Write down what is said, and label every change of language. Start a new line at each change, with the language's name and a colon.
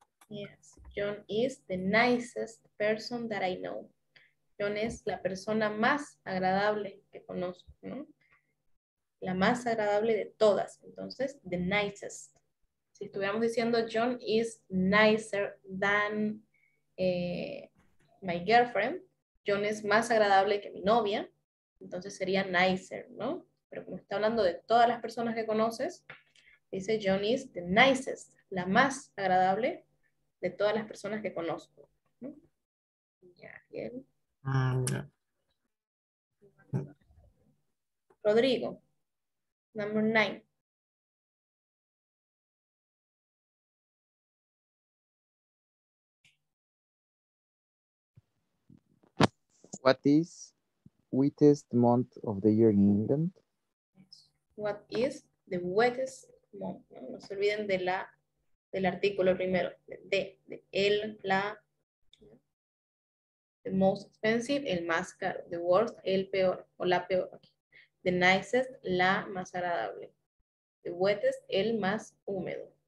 English: Yes, John is the nicest person that I know.
Spanish: John es la persona más agradable que conozco, ¿no? La más agradable de todas. Entonces,
English: the nicest.
Spanish: Si estuviéramos diciendo
English: John is nicer than my girlfriend,
Spanish: John es más agradable que mi novia, entonces sería
English: nicer,
Spanish: ¿no? Pero como está hablando de todas las personas que conoces, dice
English: John is the nicest,
Spanish: la más agradable de todas las personas que conozco, ¿no? Ya, bien.
English: Rodrigo, number 9. What is wettest month of the year in England? What is the wettest month?
Spanish: No se olviden de la, del artículo primero. De el, la.
English: The most expensive,
Spanish: el más caro.
English: The worst,
Spanish: el peor o la peor.
English: The nicest,
Spanish: la más agradable.
English: The wettest,
Spanish: el más húmedo.